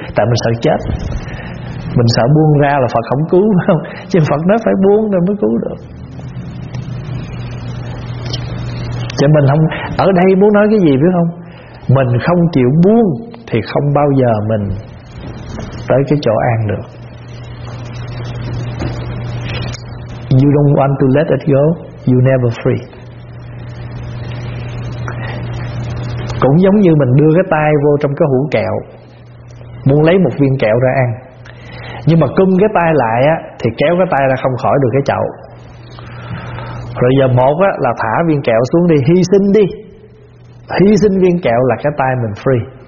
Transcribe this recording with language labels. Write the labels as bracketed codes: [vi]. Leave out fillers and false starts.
[vi] Tại mình sợ chết, mình sợ buông ra là Phật không cứu không? Chứ Phật nói phải buông rồi mới cứu được. Chứ mình không, ở đây muốn nói cái gì biết không? Mình không chịu buông thì không bao giờ mình tới cái chỗ an được. [en] You don't want to let it go, you never free. [vi] Cũng giống như mình đưa cái tay vô trong cái hũ kẹo, muốn lấy một viên kẹo ra ăn, nhưng mà cung cái tay lại á, thì kéo cái tay ra không khỏi được cái chậu. Rồi giờ một á, là thả viên kẹo xuống đi, hy sinh đi, hy sinh viên kẹo là cái tay mình free.